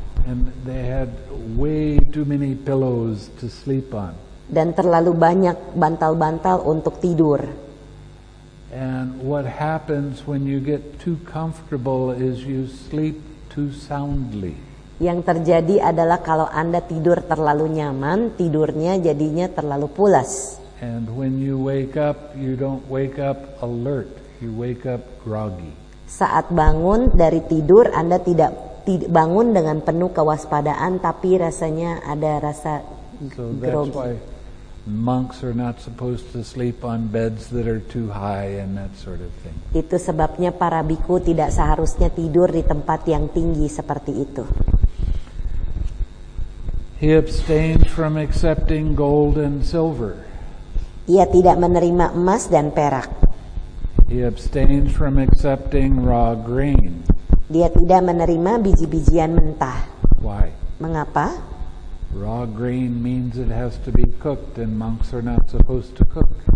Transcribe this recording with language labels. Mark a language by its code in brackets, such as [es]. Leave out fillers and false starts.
[en] And they had way too many pillows to sleep on. [id] Dan terlalu banyak bantal-bantal untuk tidur. [en] And what happens when you get too comfortable is you sleep too soundly. [id] Yang terjadi adalah kalau Anda tidur terlalu nyaman, tidurnya jadinya terlalu pulas. [en] And when you wake up, you don't wake up alert, you wake up groggy. [id] Saat bangun dari tidur, Anda tidak bangun dengan penuh kewaspadaan, tapi rasanya ada rasa groggy. [en] So that's why monks are not supposed to sleep on beds that are too high and that sort of thing. [id] Itu sebabnya para biku tidak seharusnya tidur di tempat yang tinggi seperti itu. [en] He abstains from accepting gold and silver. [id] Ia tidak menerima emas dan perak. [en] He abstains from accepting raw grain. [id] Dia tidak menerima biji-bijian mentah. [en] Why? [id] Mengapa? [en] Raw grain means it has to be cooked, and monks are not supposed to cook.